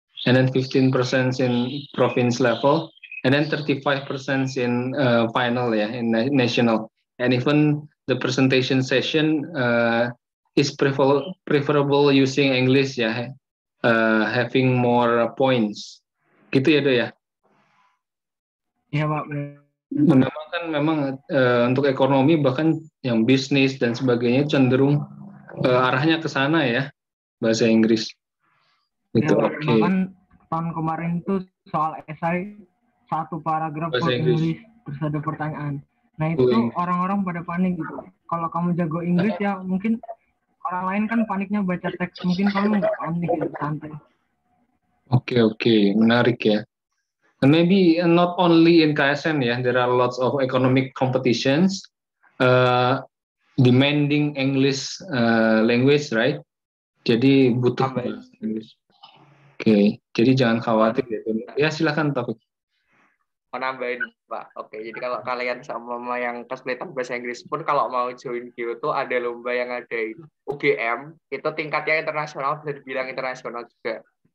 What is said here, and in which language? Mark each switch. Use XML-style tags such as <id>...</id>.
<en>And then 15% in province level, and then 35% in final, yeah, in national. And even the presentation session is preferable using English, yeah, having more points.</en> <id>Gitu ya, Do, ya? Iya, Pak. Menambah kan memang untuk ekonomi, bahkan yang bisnis dan sebagainya cenderung arahnya ke sana, ya, bahasa Inggris. Itu ya, oke. Okay. Tahun kemarin tuh soal esai satu paragraf bahasa Inggris terus ada pertanyaan. Nah itu tuh orang-orang pada panik gitu. Kalau kamu jago Inggris ya mungkin orang lain kan paniknya baca teks, mungkin kamu nggak panik gitu, santai. Oke, menarik ya.</id> <en>And maybe not only in KSN ya, there are lots of economic competitions demanding English language, right?</en> <id>Jadi butuh bahasa Inggris. Oke, jadi jangan khawatir ya. Silakan topik. Menambahin, Pak. Oke, jadi kalau kalian sama yang kesulitan bahasa Inggris pun, kalau mau join Geo tuh ada lomba yang ada UGM, itu tingkatnya internasional, bisa dibilang internasional juga.</id>